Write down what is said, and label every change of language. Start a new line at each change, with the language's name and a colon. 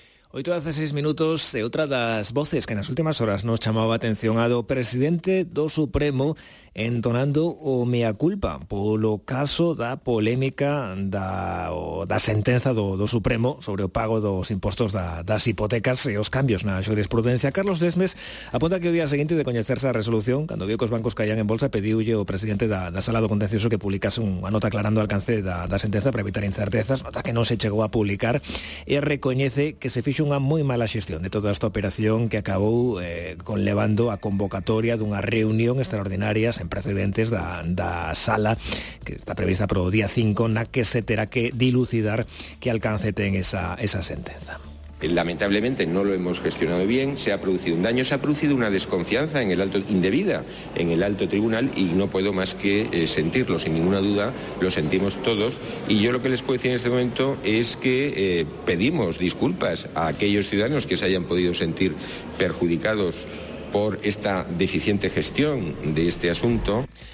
Galician: Hoy todo hace 6 minutos, otra de las voces que en las últimas horas nos llamaba atención a do presidente do Supremo entonando o mea culpa por lo caso da polémica da sentencia do Supremo sobre o pago dos impostos das hipotecas y os cambios na jurisprudencia. Carlos Lesmes apunta que o día siguiente de coñecerse a resolución, cando vio que os bancos caían en bolsa, pediulle o presidente da sala do contencioso que publicase unha nota aclarando o alcance da sentencia para evitar incertezas, nota que non se chegou a publicar, e recoñece que se fixo unha moi mala xestión de toda esta operación que acabou conlevando a convocatoria dunha reunión extraordinaria sen precedentes da sala que está prevista para o día 5 na que se terá que dilucidar que alcance ten esa sentenza.
Spanish: Lamentablemente no lo hemos gestionado bien, se ha producido un daño, se ha producido una desconfianza en el alto, indebida en el alto tribunal, y no puedo más que sentirlo, sin ninguna duda, lo sentimos todos. Y yo lo que les puedo decir en este momento es que pedimos disculpas a aquellos ciudadanos que se hayan podido sentir perjudicados por esta deficiente gestión de este asunto.